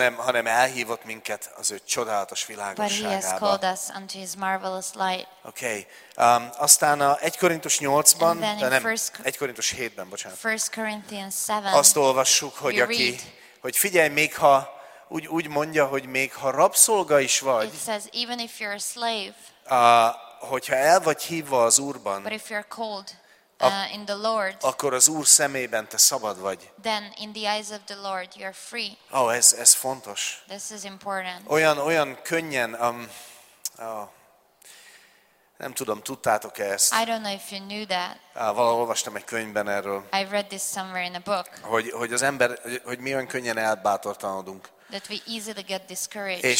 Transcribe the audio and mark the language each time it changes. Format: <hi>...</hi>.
<hu>Hanem elhívott minket az ő csodálatos világosságába.</hu> <en>But he has called us unto his marvelous light.</en> <hu>Okay. Aztán a 1 Korintus 8-ban, de nem, 1 Korintus 7-ben, bocsánat.</hu> <en>1 Corinthians 7.</en> <hu>Azt olvassuk, hogy aki, hogy figyelj, még ha úgy mondja, hogy még ha rabszolga is vagy.</hu> <en>It says even if you're a slave.</en> <hu>Hogyha el vagy hívva az Úrban.</hu> <en>But if you're called in the Lord,</en> <hu>akkor az Úr szemében te szabad vagy.</hu> <en>Then in the eyes of the Lord you are free.</en> <hu>Oh, ez fontos.</hu> <en>This is important.</en> <hu>Olyan könnyen nem tudom, tudtátok ezt.</hu> <en>I don't know if you knew that.</en> <hu>Valahol olvastam egy könyvben erről.</hu> <en>I read this somewhere in a book.</en> <hu>Hogy az ember, hogy mi olyan könnyen elbátortanodunk.</hu> <en>That we easily get discouraged.</en>